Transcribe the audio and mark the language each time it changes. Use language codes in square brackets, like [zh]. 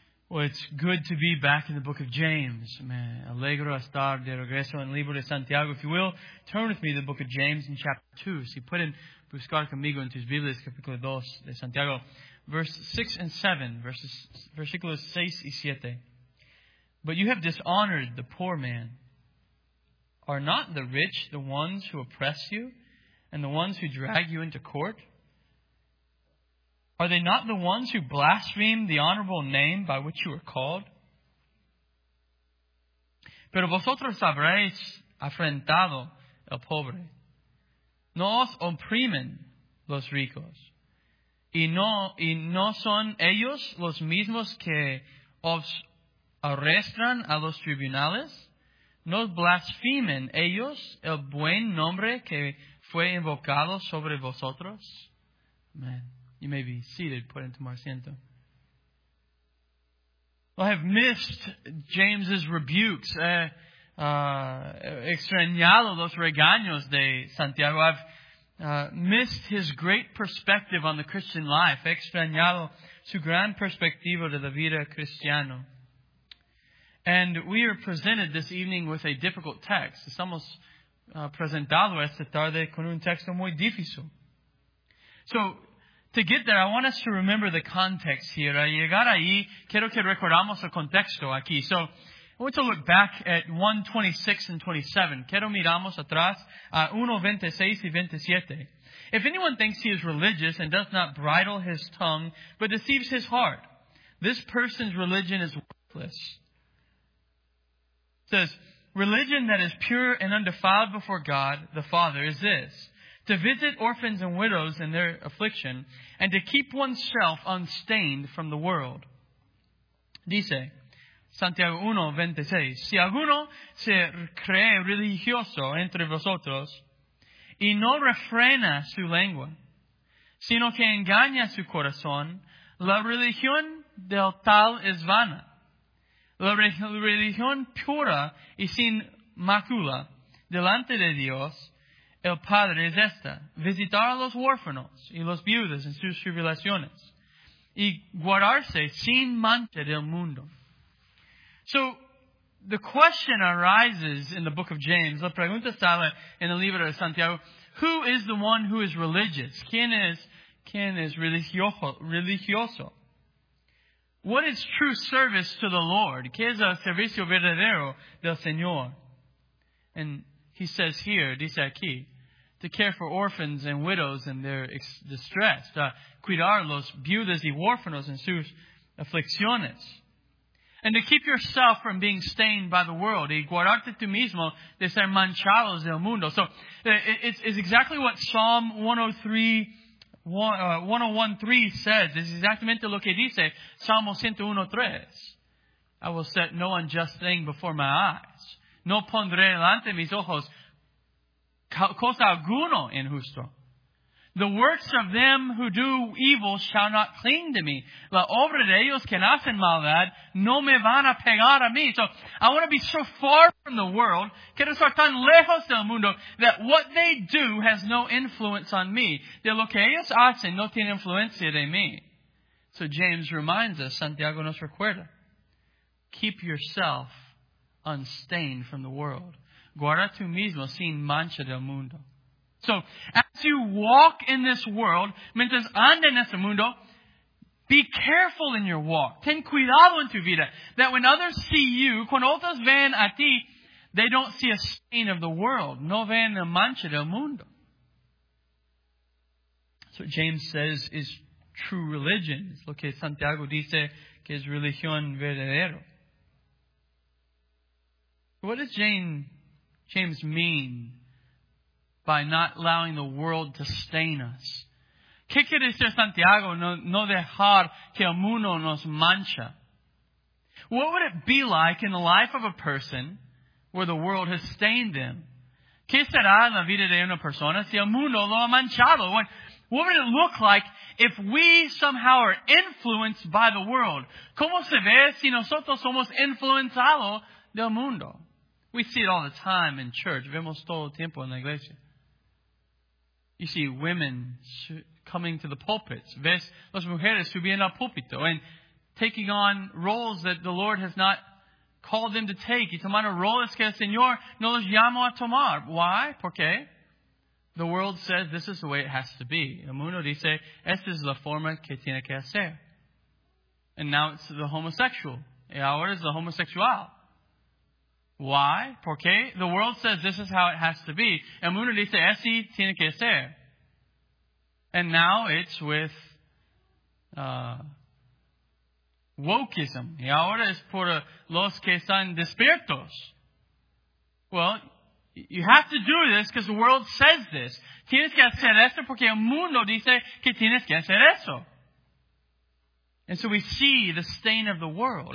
[en] Well, it's good to be back in the book of James. [es] Me alegro estar de regreso en el libro de Santiago. [en] If you will, turn with me to the book of James in chapter 2. [es] Si pueden buscar conmigo en tus Biblias, capítulo 2 de Santiago, versículos 6 y 7. [en] But you have dishonored the poor man. Are not the rich the ones who oppress you and the ones who drag you into court? Are they not the ones who blaspheme the honorable name by which you are called? [es] Pero vosotros habréis afrentado el pobre. No os oprimen los ricos. Y no son ellos los mismos que os arrestan a los tribunales? No blasfemen ellos el buen nombre que fue invocado sobre vosotros? Amen. [en] You may be seated, put into my asiento. Well, I have missed James's rebukes. [es] Extrañado los regaños de Santiago. [en] I've missed his great perspective on the Christian life. [es] Extrañado su gran perspectiva de la vida cristiana. [en] And we are presented this evening with a difficult text. [es] Estamos presentado esta tarde con un texto muy difícil. [en] So, to get there, I want us to remember the context here. [es] Al llegar ahí, quiero que recordamos el contexto aquí. [en] So, I want to look back at 1:26 and 27. [es] Quiero miramos atrás a 1:26 y 27. [en] If anyone thinks he is religious and does not bridle his tongue, but deceives his heart, this person's religion is worthless. It says, religion that is pure and undefiled before God the Father is this: to visit orphans and widows in their affliction, and to keep oneself unstained from the world. [es] Dice, Santiago 1:26, si alguno se cree religioso entre vosotros, y no refrena su lengua, sino que engaña su corazón, la religión del tal es vana. La religión pura y sin mácula delante de Dios el Padre es esta: visitar a los huérfanos y los viudas en sus tribulaciones y guardarse sin mancha del mundo. [en] So, the question arises in the book of James. [es] La pregunta sale en el libro de Santiago. [en] Who is the one who is religious? [es] ¿Quién es religioso? [en] What is true service to the Lord? [es] ¿Qué es el servicio verdadero del Señor? [en] And he says here, [es] dice aquí, [en] to care for orphans and widows in their distress, to [es] cuidar los viudas y huérfanos en sus aflicciones, [en] and to keep yourself from being stained by the world, [es] y guardarte tú mismo de ser manchados del mundo. [en] So, it's exactly what Psalm 103 says. [es] Es exactamente lo que dice [en] Psalm 101:3. I will set no unjust thing before my eyes. [es] No pondré delante mis ojos cosa alguno injusto. [en] The works of them who do evil shall not cling to me. [es] La obra de ellos que hacen maldad no me van a pegar a mí. [en] So, I want to be so far from the world, [es] quiero estar tan lejos del mundo, [en] that what they do has no influence on me. [es] De lo que ellos hacen no tiene influencia de mí. [en] So, James reminds us, [es] Santiago nos recuerda, [en] keep yourself unstained from the world. [es] Guarda tú mismo sin mancha del mundo. [en] So, as you walk in this world, [es] mientras andas en este mundo, [en] be careful in your walk. [es] Ten cuidado en tu vida. [en] That when others see you, [es] cuando otros ven a ti, [en] they don't see a stain of the world. [es] No ven la mancha del mundo. [en] So, James says is true religion. [es] Es lo que Santiago dice que es religión verdadero. [en] What does James mean by not allowing the world to stain us? [es] ¿Qué quiere decir Santiago? No dejar que el mundo nos mancha. [en] What would it be like in the life of a person where the world has stained them? [es] ¿Qué será en la vida de una persona si el mundo lo ha manchado? [en] What would it look like if we somehow are influenced by the world? [es] ¿Cómo se ve si nosotros somos influenciados del mundo? [en] We see it all the time in church. [es] Vemos todo el tiempo en la iglesia. [en] You see women coming to the pulpits. [es] Ves las mujeres subiendo al púlpito. [en] And taking on roles that the Lord has not called them to take. [es] Y tomaron roles que el Señor no los llamó a tomar. Why? ¿Por qué? [en] The world says this is the way it has to be. [es] El mundo dice, esta es la forma que tiene que hacer. [en] And now it's the homosexual. [es] Y ahora es el homosexual. Why? ¿Por qué? [en] The world says this is how it has to be. [es] El mundo dice, así tiene que ser. [en] And now it's with wokeism. [es] Y ahora es por los que están despiertos. [en] Well, you have to do this because the world says this. [es] Tienes que hacer esto porque el mundo dice que tienes que hacer eso. [en] And so we see the stain of the world.